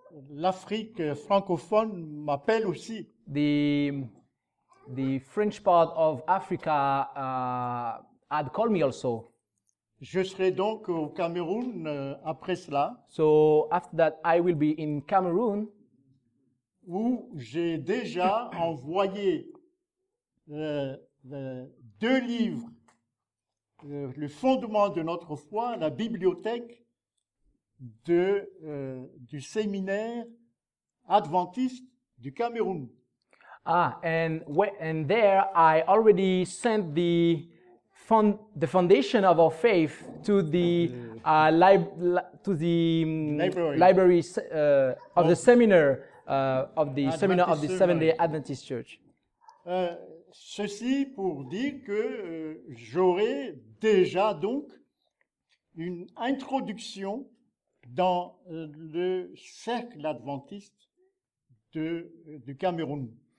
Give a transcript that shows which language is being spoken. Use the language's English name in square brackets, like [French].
[French] l'Afrique francophone m'appelle aussi. [English] The French part of Africa had called me also. [French] Je serai donc au Cameroun après cela. [English] So after that, I will be in Cameroon. [French] Où j'ai déjà envoyé deux livres, le fondement de notre foi, la bibliothèque du séminaire adventiste du Cameroun. [English] And there I already sent the foundation of our faith to the library of the seminar of the Seventh-day Adventist Church. [French] Ceci pour dire que j'aurai déjà donc une introduction dans le cercle adventiste du Cameroun.